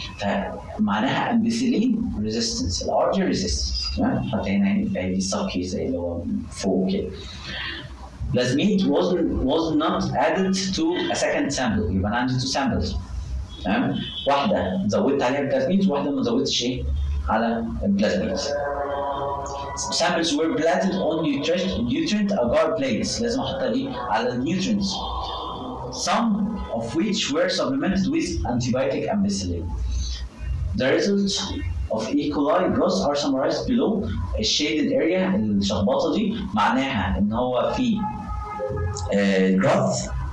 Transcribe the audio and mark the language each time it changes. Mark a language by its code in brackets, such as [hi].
[ar] فمعناها امبيسيلين ريزيستنس، الـ R دي ريزيستنس تمام؟ حتى هنا هي دي سب كيس اللي هو فوق كده. بلازميد [en] was not added to a second sample، [ar] يبقى انا عندي تو سامبلز تمام؟ واحدة زودت عليها بلازميد وواحدة ما زودتش ايه على البلازميد. [en] Samples were planted on nutrient agar plates. [ar] لازم احط دي على النيوترينتس. [en] Some of which were supplemented with antibiotic ampicillin. The results of E. coli growth are summarized below. A shaded area [ar] الشخبطة دي معناها ان هو في growth.